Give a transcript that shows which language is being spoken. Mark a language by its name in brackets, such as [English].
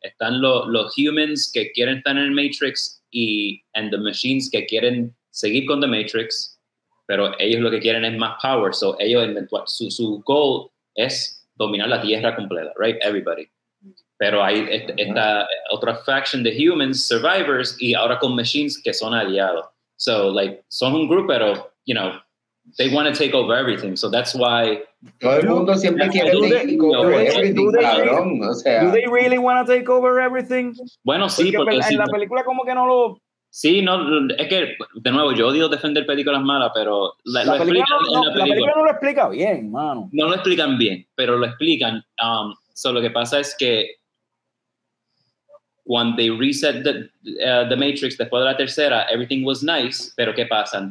[Spanish] Están los [English] humans [Spanish] que quieren estar en el Matrix y [English] and the machines [Spanish] que quieren seguir con The Matrix, pero ellos lo que quieren es más [English] power, so [Spanish] ellos eventual su [English] goal [Spanish] es dominar la Tierra completa, [English] right, everybody. [Spanish] Pero hay esta otra [English] faction [Spanish] de [English] humans, survivors, [Spanish] y ahora con [English] machines [Spanish] que son aliados. [English] So like [Spanish] son un grupo, pero [English] you know they want to take over everything, so that's why [Spanish] todo el mundo siempre quiere [English] take over everything, [Spanish] cabrón. O sea, [English] do they really want to take over everything? [Spanish] Bueno, sí, porque en la película como que no lo. Sí, no, es que de nuevo yo odio defender películas malas, pero la película no lo explica bien, mano. No lo explican bien, pero lo explican. Lo que pasa es que [English] when they reset the Matrix [Spanish] después de la tercera, [English] everything was nice, [Spanish] pero ¿qué pasa?